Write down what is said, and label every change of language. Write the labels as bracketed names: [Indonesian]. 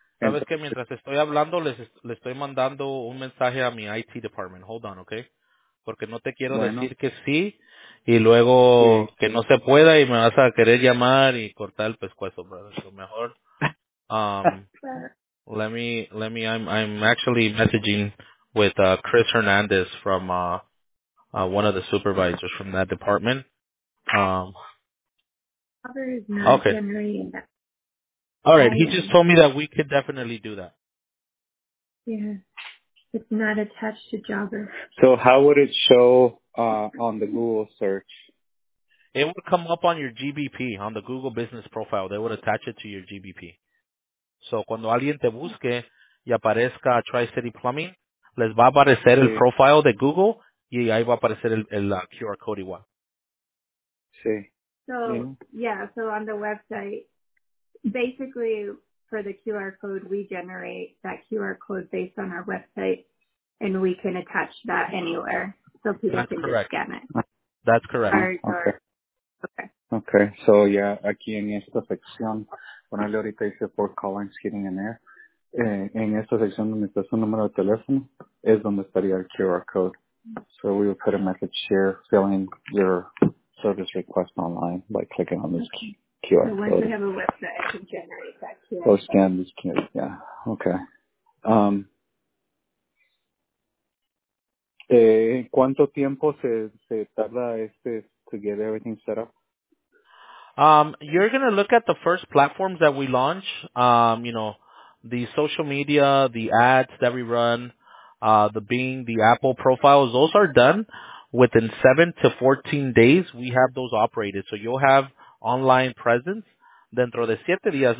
[Spanish] Sabes que mientras estoy hablando, le estoy mandando un mensaje a mi IT department. [English] Hold on, okay? [Spanish] Porque no te quiero decir que sí y luego que no se pueda y me vas a querer llamar y cortar el pescuezo, brother. [English] So mejor, let me, I'm actually messaging with Chris Hernandez from one of the supervisors from that department. Okay. All right, he just told me that we could definitely do that. Yeah, it's not attached to Jobber. So how would it show on the Google search? It would come up on your GBP, on the Google Business Profile. They would attach it to your GBP. [Spanish] So cuando alguien te busque y aparezca Tri-City Plumbing, les va a aparecer el profile de Google y ahí va a aparecer el QR code igual. Sí. [English] So, so on the website, basically, for the QR code, we generate that QR code based on our website, and we can attach that anywhere so people That's can correct. Just scan it. That's correct. Okay. [Spanish] So, yeah, aquí en esta sección, ponerle ahorita dice [English] for calling, getting in there. [Spanish] En esta sección donde está su número de teléfono es donde estaría el QR code. [English] So we will put a message here, filling your service request online by clicking on this key. QR code. So once we have a website, I can generate that QR code. Oh, scan this QR, yeah. Okay. [Spanish] ¿Cuánto tiempo se tarda [English] to get everything set up? You're going to look at the first platforms that we launch, the social media, the ads that we run, the Bing, the Apple profiles, those are done within 7 to 14 days. We have those operated. So you'll have online presence [Spanish] dentro de 7 días.